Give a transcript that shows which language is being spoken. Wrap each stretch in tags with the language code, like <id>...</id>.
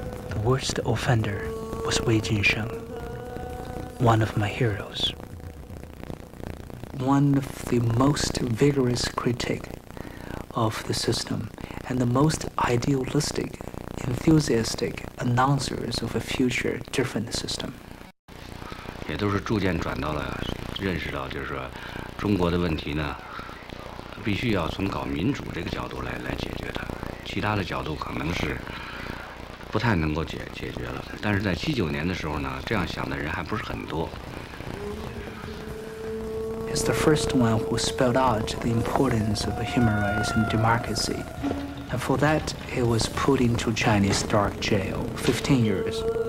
<en>The worst offender was Wei Jinsheng, one of my heroes. One of the most vigorous critics of the system and the most idealistic, enthusiastic announcers of a future different system.</en> <zh>也都是逐渐转到了认识到就是中国的问题呢必须要从搞民主这个角度来解决的其他的角度可能是不太能够解决了但是在79年的时候呢这样想的人还不是很多</zh> <en>He's the first one who spelled out the importance of human rights and democracy. And for that, he was put into Chinese dark jail, 15 years.</en>